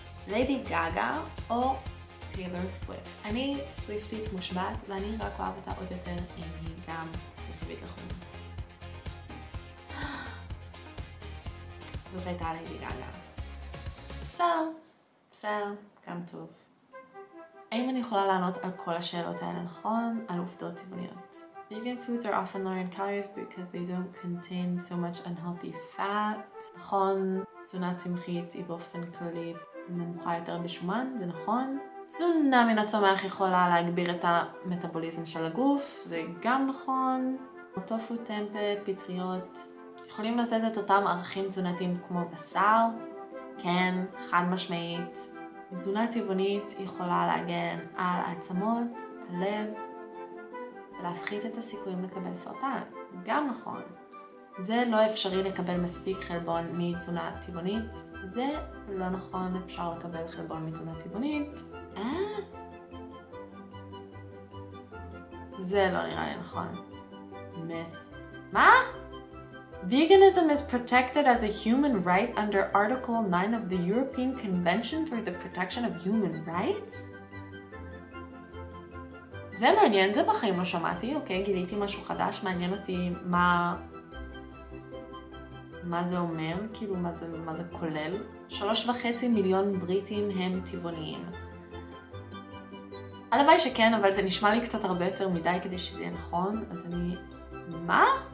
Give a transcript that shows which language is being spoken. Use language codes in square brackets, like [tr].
[he] ליידי גאגה או טיילור סוויפט? אני סוויפטית מושבעת ואני רק אוהב אותה עוד יותר אם היא גם אובססיבית לחומוס. זאת הייתה ליידי גאגה. בסדר, גם טוב. האם אני יכולה לענות על כל השאלות האלה נכון? על עובדות טבעוניות. [en] Vegan foods are often low in calories because they don't contain so much unhealthy fat. [he] נכון, תזונה צמחית היא באופן כללי נמוכה יותר בשומן, זה נכון. תזונה מן הצומח יכולה להגביר את המטאבוליזם של הגוף, זה גם נכון. טופו, טמפה, פטריות יכולים לתת את אותם ערכים תזונתיים כמו בשר. כן, חד משמעית. תזונה טבעונית יכולה להגן על העצמות, הלב, ולהפחית את הסיכויים לקבל סרטן. גם נכון. זה לא אפשרי לקבל מספיק חלבון מתזונה טבעונית. זה לא נכון, אפשר לקבל חלבון מתזונה טבעונית. זה לא נראה לי נכון. מה? [en] Veganism is protected as a human right under Article 9 of the European Convention for the Protection of Human Rights? [he] זה מעניין, זה בחיים לא שמעתי, אוקיי, גיליתי משהו חדש, מעניין אותי מה זה אומר, כאילו מה זה כולל. 3.5 מיליון בריטים הם טבעוניים. הלוואי שכן, אבל זה נשמע לי קצת הרבה יותר מדי כדי שזה יהיה נכון, אז אני... מה?